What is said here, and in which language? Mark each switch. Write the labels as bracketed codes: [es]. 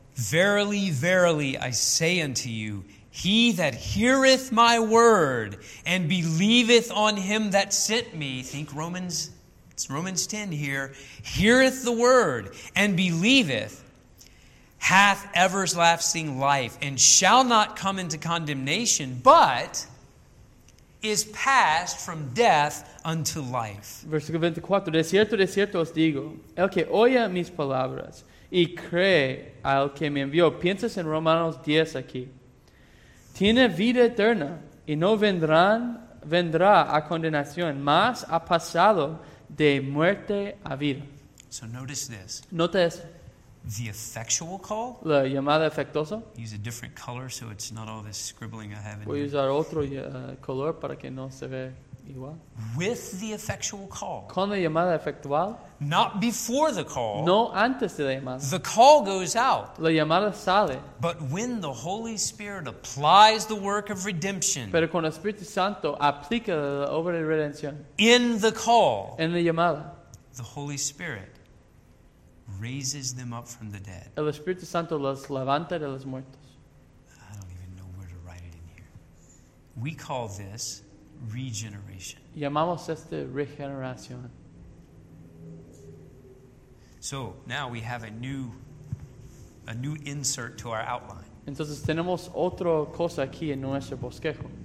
[en] Verily, verily, I say unto you, he that heareth my word and believeth on him that sent me, think Romans, it's Romans 10 here, heareth the word and believeth, hath everlasting life and shall not come into condemnation, but is passed from death unto life. [es] Versículo 24. De cierto os digo, el que oye mis palabras y cree al que me envió, piensas en Romanos 10 aquí, tiene vida eterna y no vendrá a condenación, mas ha pasado de muerte a vida. [en] So notice this. [es] Nota esto. [en] The effectual call. [es] La llamada efectuosa. [en] Use a different color so it's not all this scribbling I have in [es] here. Voy a usar otro color para que no se ve igual. [en] With the effectual call. [es] Con la llamada efectual. [en] Not before the call. [es] No antes de la llamada. [en] The call goes out. [es] La llamada sale. [en] But when the Holy Spirit applies the work of redemption. [es] Pero cuando el Espíritu Santo aplica la obra de redención. [en] In the call. [es] En la llamada. [en] The Holy Spirit. Raises them up from the dead. [es] El Espíritu Santo los levanta de los muertos. [en] I don't even know where to write it in here. We call this regeneration. [es] Llamamos esto regeneración. [en] So now we have a new insert to our outline. [es] Entonces tenemos otra cosa aquí en nuestro bosquejo.